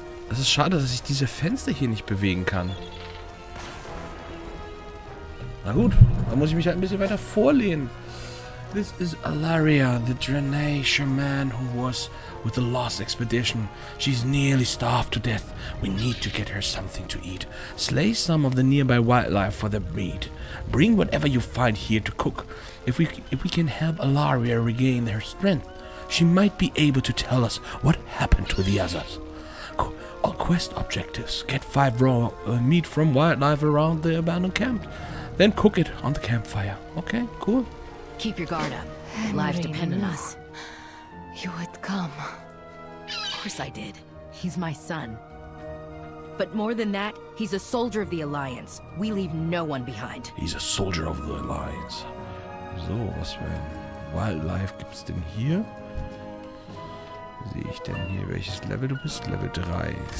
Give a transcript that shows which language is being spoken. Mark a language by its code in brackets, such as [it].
[de] Es ist schade, dass ich diese Fenster hier nicht bewegen kann. Na gut, da muss ich mich halt ein bisschen weiter vorlehnen. [en] This is Alaria, the Draenei Shaman who was with the Lost Expedition. She's nearly starved to death. We need to get her something to eat. Slay some of the nearby wildlife for the meat. Bring whatever you find here to cook. If we can help Alaria regain her strength, she might be able to tell us what happened to the others. all quest objectives. Get 5 raw meat from wildlife around the abandoned camp. Then cook it on the campfire. Okay, cool. Keep your guard up. Lives depend on us. You would come. Of course I did. He's my son. But more than that, he's a soldier of the Alliance. We leave no one behind. He's a soldier of the Alliance. [de] So, was für ein Wildlife gibt's denn hier? Sehe ich denn hier, welches Level du bist? Level 3.